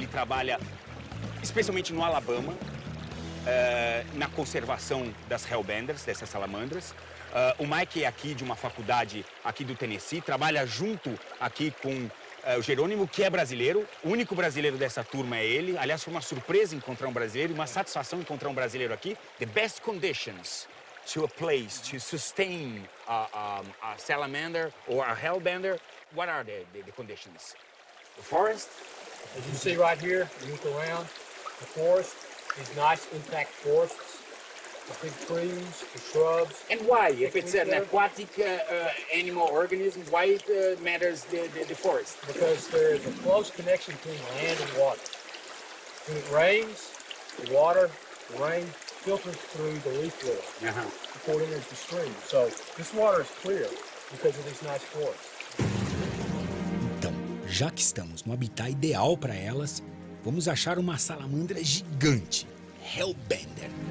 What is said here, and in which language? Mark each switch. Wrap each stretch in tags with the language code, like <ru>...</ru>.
<pt>Ele trabalha especialmente no Alabama, na conservação das hellbenders, dessas salamandras. O Mike é aqui de uma faculdade aqui do Tennessee, trabalha junto aqui com o Jerônimo, que é brasileiro. O único brasileiro dessa turma é ele. Aliás, foi uma surpresa encontrar um brasileiro, uma satisfação encontrar um brasileiro aqui.</pt> <en>The best conditions to a place to sustain a salamander or a hellbender, what are the conditions? The forest, as you see right here, you look around, the forest, these nice intact forests, the big trees, the shrubs. And why, if it's an aquatic animal organism, why it matters the forest? Because there's a close connection between land and water. When it rains, the water, the rain, filters through the leaf litter before it enters the stream. So this water is clear because of these nice forests.</en> <pt>Já que estamos no habitat ideal para elas, vamos achar uma salamandra gigante, Hellbender.</pt>